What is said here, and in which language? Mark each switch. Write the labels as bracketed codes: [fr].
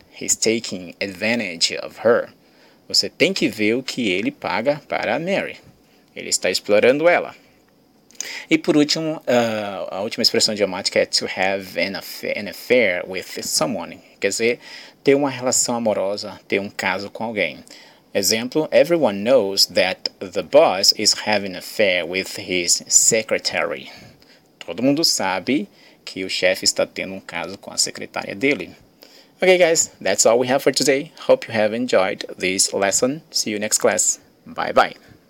[en] He's taking advantage of her. [pt] Você tem que ver o que ele paga para Mary. Ele está explorando ela. E por último, a última expressão idiomática é to have an affair with someone. Quer dizer, ter uma relação amorosa, ter um caso com alguém. [en] Exemplo, everyone knows that the boss is having an affair with his secretary. [pt] Todo mundo sabe que o chefe está tendo um caso com a secretária dele. [en] Okay, guys, that's all we have for today. Hope you have enjoyed this lesson. See you next class. Bye-bye.